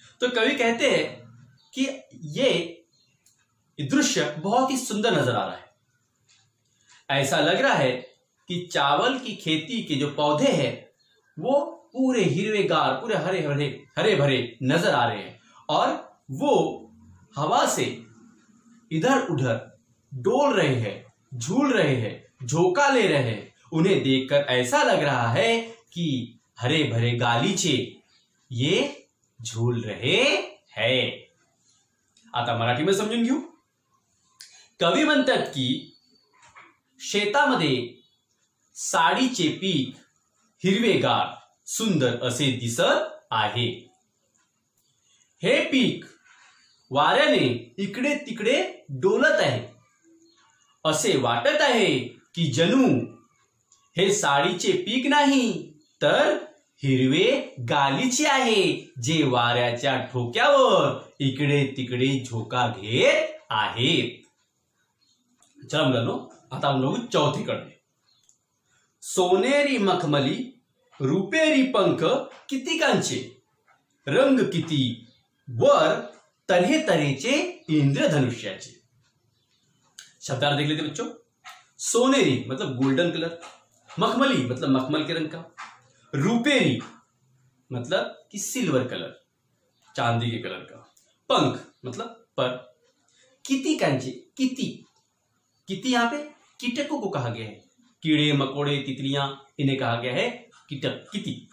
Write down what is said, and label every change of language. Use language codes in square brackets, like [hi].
[hi] तो कवि कहते हैं कि ये दृश्य बहुत ही सुंदर नजर आ रहा है, ऐसा लग रहा है कि चावल की खेती के जो पौधे हैं वो पूरे हिरवे गार पूरे हरे हरे हरे भरे नजर आ रहे हैं, और वो हवा से इधर उधर डोल रहे हैं, झूल रहे हैं, झोंका ले रहे हैं. उन्हें देखकर ऐसा लग रहा है कि हरे भरे गालीचे ये झूल रहे हैं. आता मराठी में समझूंगी. [mr] कवि म्हणतात की शेतामध्ये साडीचे पीक हिरवेगार सुंदर असे दिसत आहे। हे पीक वाऱ्याने इकडे तिकडे डोलत आहे। असे वाटत आहे की जणू हे साडीचे पीक नाही तर हिरवे गालीचे आहे जे वाऱ्याच्या ठोक्यावर इकडे तिकडे झोका घेत आहेत। चला मुलांनो आता बघू चौथीकडे। सोनेरी मखमली रुपेरी पंख किती कांचे रंग किती वर तरहे तरहेचे इंद्रधनुष्याचे। [hi] शब्दार्थ देखले बच्चो, सोनेरी मतलब गोल्डन कलर, मखमली मतलब मखमल के रंग का, रुपेरी मतलब कि सिल्वर कलर चांदी के कलर का, पंख मतलब पर, किती कांचे किती किती यहां पे कीटकों को कहा गया है, कीड़े मकोड़े तितलियां इन्हें कहा गया है कीटक किती।